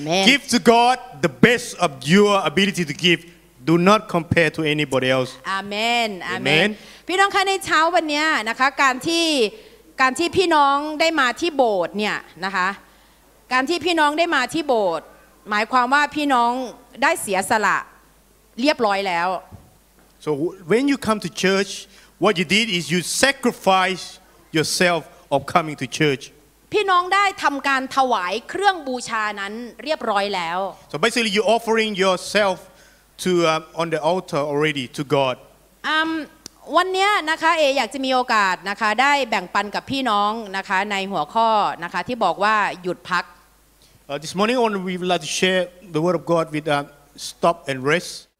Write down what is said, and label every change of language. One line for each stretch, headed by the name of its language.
English: Give to God the best of your ability to give. Do not compare to anybody else. Amen. Amen.
Thai: พี่น้องคะในเช้าวันนี้นะคะการที่พี่น้องได้มาที่โบสถ์เนี่ยนะคะการที่พี่น้องได้มาที่โบสถ์หมายความว่าพี่น้องได้เสียสละเรียบร้อยแล้ว
English: So when you come to church what you did is you sacrifice yourself of coming to church
Thai: พี่น้องได้ทำการถวายเครื่องบูชานั้นเรียบร้อยแล้ว
English: So basically you offering yourself to on the altar already to God
Thai: วันนี้นะคะเออยากจะมีโอกาสนะคะได้แบ่งปันกับพี่น้องนะคะในหัวข้อนะคะที่บอกว่าหยุดพัก
English: This morning on we would like to share the word of God with stop and rest